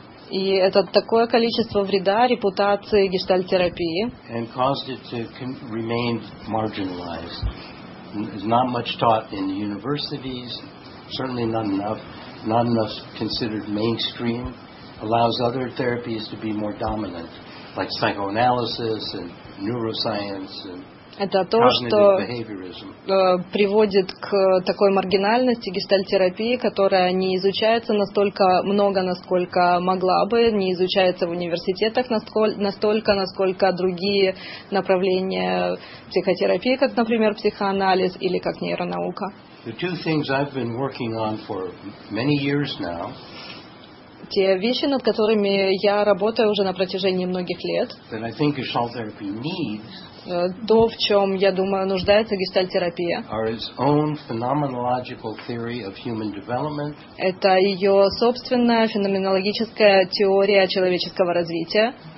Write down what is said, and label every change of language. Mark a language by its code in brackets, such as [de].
[ru] И это такое количество вреда репутации гештальт-терапии. [en] And caused it to remain marginalized. Not much taught in the universities, certainly not enough considered mainstream. Allows other therapies to be more dominant, like psychoanalysis and neuroscience and [ru] это то, что приводит к такой маргинальности гештальт-терапии, которая не изучается настолько много, насколько могла бы, не изучается в университетах настолько, насколько другие направления психотерапии, как, например, психоанализ или как нейронаука. [en] The two things I've been working on for many years now. [ru] Те вещи, над которыми я работаю уже на протяжении многих лет. [en] That I think gestalt-therapy needs. [ru] То, в чем, я думаю, нуждается гештальт-терапия, это ее собственная феноменологическая теория человеческого развития.